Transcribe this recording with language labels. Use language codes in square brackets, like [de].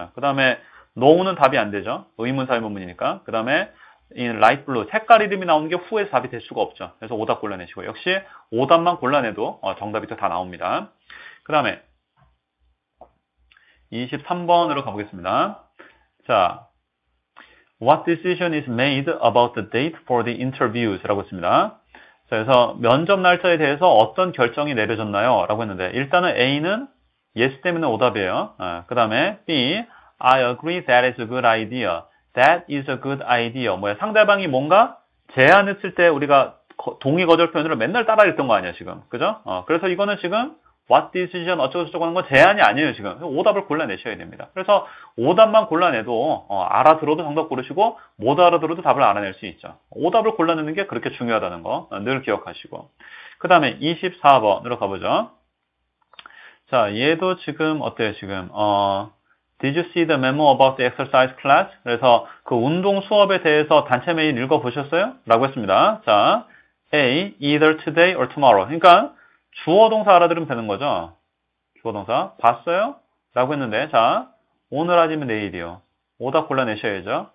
[ko] 그 다음에 no는 답이 안 되죠. 의문사 의문문이니까. 그 다음에 [en] in light blue. [ko] 색깔 이름이 나오는 게 후에서 답이 될 수가 없죠. 그래서 오답 골라내시고. 역시 오답만 골라내도 정답이 또다 나옵니다. 그 다음에 23번으로 가보겠습니다. [en] 자, what decision is made about the date for the interviews? [ko] 라고 했습니다. 자, 그래서 면접 날짜에 대해서 어떤 결정이 내려졌나요? 라고 했는데, 일단은 A는 yes 때문에 오답이에요. 그 다음에 B, [en] I agree that is a good idea. That is a good idea. [ko] 뭐야? 상대방이 뭔가 제안했을 때 우리가 동의 거절 표현으로 맨날 따라 읽던 거 아니야, 지금. 그죠? 그래서 이거는 지금 what decision 어쩌고저쩌고 하는 건 제안이 아니에요, 지금. 오답을 골라내셔야 됩니다. 그래서 오답만 골라내도, 알아들어도 정답 고르시고, 못 알아들어도 답을 알아낼 수 있죠. 오답을 골라내는 게 그렇게 중요하다는 거, 늘 기억하시고. 그 다음에 24번으로 가보죠. 자, 얘도 지금, 어때요, 지금? [en] Did you see the memo about the exercise class? [ko] 그래서 그 운동 수업에 대해서 단체 메일 읽어보셨어요? 라고 했습니다. 자, A, [en] either today or tomorrow. [ko] 그러니까 주어 동사 알아들으면 되는 거죠. 주어 동사. 봤어요? 라고 했는데, 자, 오늘 아니면 내일이요. 오답 골라내셔야죠.